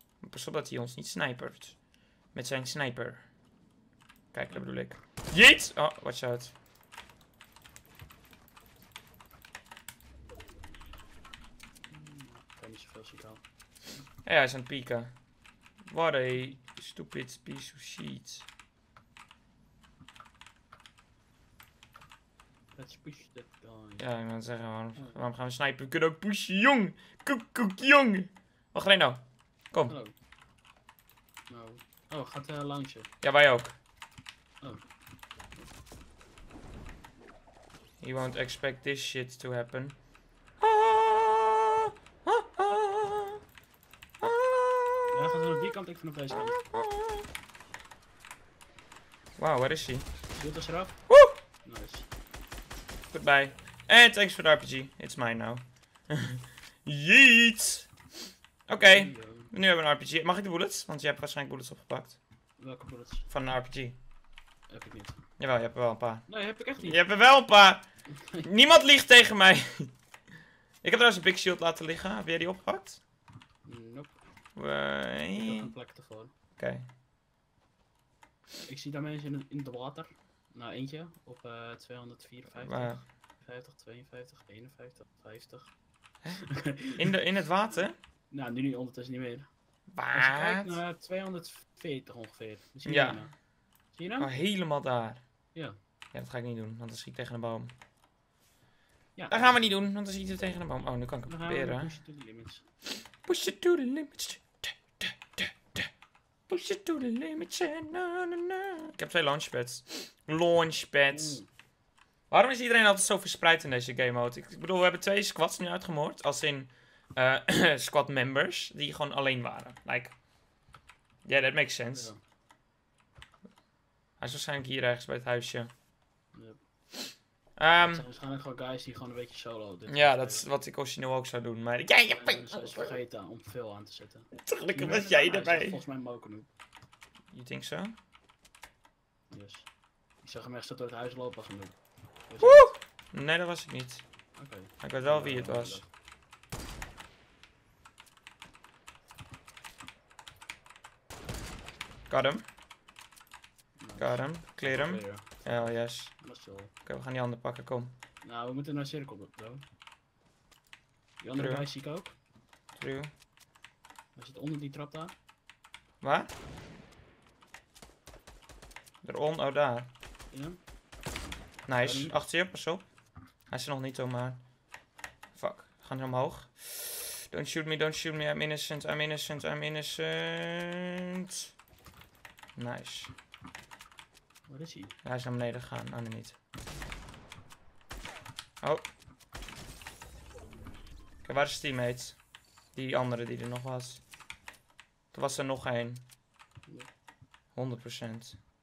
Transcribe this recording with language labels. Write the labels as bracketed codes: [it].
[nl] Pas op dat hij ons niet snipert. Met zijn sniper. Kijk, dat bedoel ik. Yeet! [en] Oh, watch out. [nl] Ik heb niet zoveel shit al. Hey, hij is aan het pieken. [en] What a stupid piece of shit. Let's push that guy. [nl] Ja, ik wil zeggen, waarom gaan we snipen? We kunnen ook pushen, jong! Koek, jong! Wacht, Reno. Kom. [en] Hello. [nl] Oh, gaat langs je. Ja, wij ook. Oh. [en] You won't expect this shit to happen. [nl] Ja, gaat naar die kant, ik vanaf deze kant. Wow, waar is hij? Doet als eraf. Woe! [en] Nice. Goodbye. And thanks for the RPG. It's mine now. [nl] Jeet! Oké, okay. Nu hebben we een RPG. Mag ik de bullets? Want je hebt waarschijnlijk bullets opgepakt. Welke bullets? Van een RPG. Heb ik niet. Jawel, je hebt er wel een paar. Nee, heb ik echt niet. Je hebt er wel een paar! Niemand liegt tegen mij! Ik heb trouwens een big shield laten liggen. Heb jij die opgepakt? [en] Nope. Wee. [nl] Ik heb een plek ervoor. Oké. Okay. Ik zie daar mensen in het water. Nou, eentje. Op 254. Waar? 50, 52, 51, 50. In het water? Nou, nu niet, ondertussen niet meer. Waar? Als je kijkt naar 240 ongeveer. Misschien ja. Nou. Zie je hem? Oh, helemaal daar. Ja. Ja, dat ga ik niet doen, want dan schiet ik tegen een boom. Ja. Dat gaan we niet doen, want dan schiet ik tegen een boom. Oh, nu kan ik het dan proberen. [en] Push it to the limits. Push it to the limits. Push it to the limits. [nl] Ik heb 2 launchpads. Launchpads. Oeh. Waarom is iedereen altijd zo verspreid in deze game mode? Ik bedoel, we hebben 2 squads nu uitgemoord. Als in squad members die gewoon alleen waren. [en] Like, yeah, that makes sense. [nl] Ja. Hij is waarschijnlijk hier ergens bij het huisje. Het zijn waarschijnlijk gewoon guys die gewoon een beetje solo dit. Ja, dat is wat ik origineel ook zou doen, maar... Ja, je bent... Ik ben vergeten om veel aan te zetten. Gelukkig was jij erbij. Hij is volgens mij Mokonu. [en] You think so? Yes. [nl] Ik zag hem echt zo door het huis lopen als een noob. Woe! Nee, dat was ik niet. Oké. Okay. Ik weet wel wie het was. [en] Got him. Got him. Clear him. Oh yes. [nl] Oké, okay, we gaan die andere pakken, kom. Nou, we moeten naar cirkel doen. Die andere guy zie ik ook. [en] True. [nl] Hij zit onder die trap daar. Waar? Eronder, oh daar. Ja. Nice, achter je, pas op. Hij is er nog niet om, maar... Fuck, we gaan omhoog. [en] Don't shoot me, I'm innocent, I'm innocent, I'm innocent. Nice. [nl] Waar is hij? Hij is naar beneden gegaan, oh nee niet. Oh. Oké, waar is teammate? Die andere die er nog was. Er was er nog één. 100%.